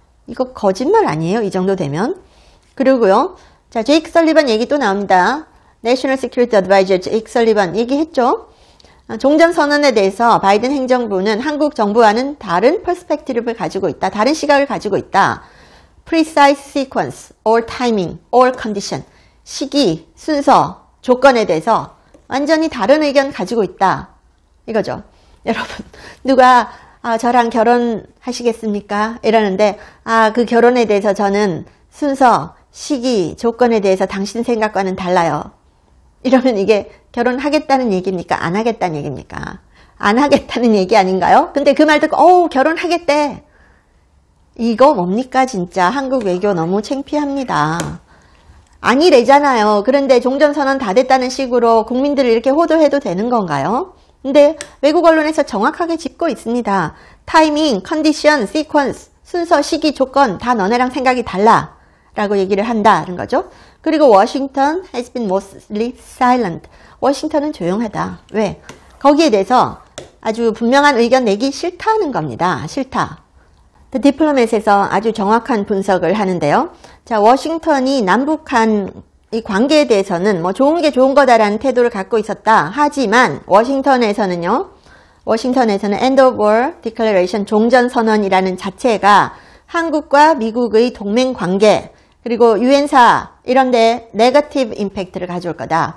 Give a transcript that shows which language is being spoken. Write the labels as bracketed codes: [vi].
[ko] 이거 거짓말 아니에요? 이 정도 되면. 그리고요. 자, 제이크 설리번 얘기 또 나옵니다. National Security Advisor 제이크 설리번 얘기했죠. 종전선언에 대해서 바이든 행정부는 한국 정부와는 다른 퍼스펙티브를 가지고 있다. 다른 시각을 가지고 있다. [en] Precise sequence, or timing, or condition. [ko] 시기, 순서, 조건에 대해서 완전히 다른 의견 가지고 있다. 이거죠. 여러분, 누가 저랑 결혼하시겠습니까? 이러는데 그 결혼에 대해서 저는 순서, 시기, 조건에 대해서 당신 생각과는 달라요. 이러면 이게 결혼하겠다는 얘기입니까? 안 하겠다는 얘기입니까? 안 하겠다는 얘기 아닌가요? 근데 그 말 듣고 결혼하겠대. 이거 뭡니까 진짜? 한국 외교 너무 창피합니다. 아니래잖아요. 그런데 종전선언 다 됐다는 식으로 국민들을 이렇게 호도해도 되는 건가요? 근데 외국 언론에서 정확하게 짚고 있습니다. 타이밍, 컨디션, 시퀀스, 순서, 시기, 조건 다 너네랑 생각이 달라. 라고 얘기를 한다는 거죠. [en] 그리고 워싱턴 has been mostly silent. [ko] 워싱턴은 조용하다. 왜? 거기에 대해서 아주 분명한 의견 내기 싫다는 겁니다. 싫다. The Diplomat에서 아주 정확한 분석을 하는데요. 자, 워싱턴이 남북한 이 관계에 대해서는 뭐 좋은 게 좋은 거다라는 태도를 갖고 있었다. 하지만 워싱턴에서는 end of war declaration 종전선언이라는 자체가 한국과 미국의 동맹관계 그리고 유엔사 이런 데 네거티브 임팩트를 가져올 거다.